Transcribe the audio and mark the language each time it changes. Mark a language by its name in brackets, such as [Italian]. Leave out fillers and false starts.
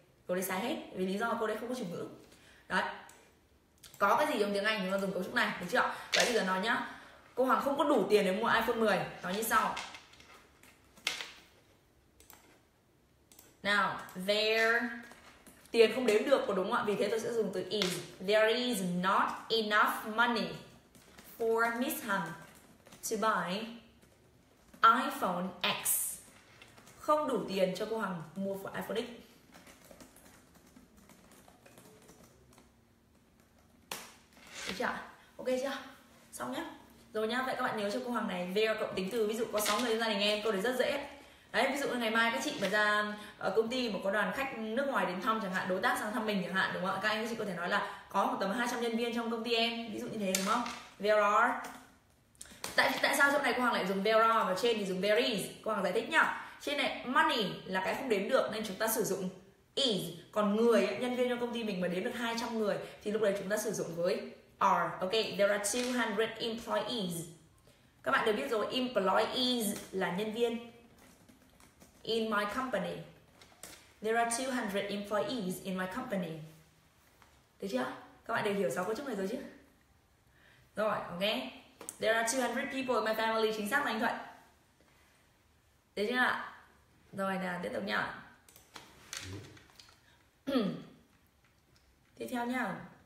[Vietnamese] Cô đấy sai hết, vì lý do cô đấy không có chủ ngữ. Đấy, có cái gì trong tiếng Anh thì mà dùng cấu trúc này, được chưa? Vậy bây giờ nói nhá, cô Hằng không có đủ tiền để mua iPhone 10, nói như sau. Now, there, tiền không đếm được, đúng không ạ? Vì thế tôi sẽ dùng từ is. [English] There is not enough money for Miss Hằng to buy iPhone X. [Vietnamese] Không đủ tiền cho cô Hằng mua của iPhone X. Được chưa? Ok chưa? Xong nhá. Rồi nhá, vậy các bạn nhớ cho cô Hằng này, there cộng tính từ, ví dụ có 6 người trong gia đình em, câu đấy rất dễ. Đấy, ví dụ ngày mai các chị mà ra ở công ty mà có đoàn khách nước ngoài đến thăm chẳng hạn, đối tác sang thăm mình chẳng hạn, đúng không ạ? Các anh các chị có thể nói là có một tầm 200 nhân viên trong công ty em, ví dụ như thế, đúng không? There are. Tại sao chỗ này cô Hằng lại dùng there are và trên thì dùng there is? Cô Hằng giải thích nhá. Trên này money là cái không đếm được nên chúng ta sử dụng is. Còn người, nhân viên trong công ty mình mà đếm được 200 người thì lúc đấy chúng ta sử dụng với are. Ok, [English] there are 200 employees. [Vietnamese] Các bạn đều biết rồi, employees là nhân viên. [English] In my company, there are 200 employees in my company. [Vietnamese] Được chưa? Các bạn đều hiểu 6 cấu trúc này rồi chứ? Rồi, ok. [English] There are 200 people in my family. [Vietnamese] Chính xác là anh [English] Thuận. Được chưa? [Vietnamese] Rồi nè, tiếp tục nha. Tiếp theo nha.